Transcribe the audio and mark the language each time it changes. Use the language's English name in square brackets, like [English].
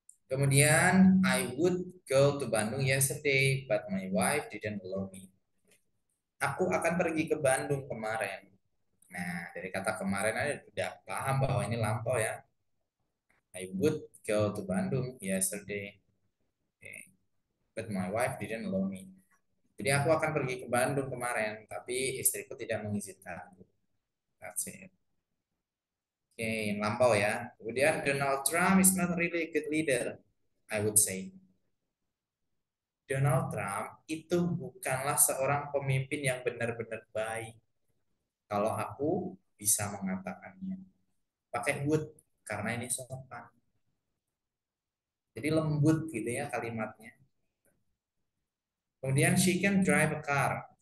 [English] Kemudian, I would go to Bandung yesterday, but my wife didn't allow me. [Indonesian] Aku akan pergi ke Bandung kemarin. Nah, dari kata kemarin aja udah paham bahwa ini lampau ya. [English] I would go to Bandung yesterday, okay. But my wife didn't allow me. [Indonesian] Jadi aku akan pergi ke Bandung kemarin, tapi istriku tidak mengizinkan. [English] That's it. [Indonesian] Oke, okay, lampau ya. [English] Kemudian Donald Trump is not really a good leader, I would say. [Indonesian] Donald Trump itu bukanlah seorang pemimpin yang benar-benar baik. Kalau aku bisa mengatakannya. Pakai would, karena ini sopan. Jadi lembut gitu ya kalimatnya. Kemudian [English] she can drive a car.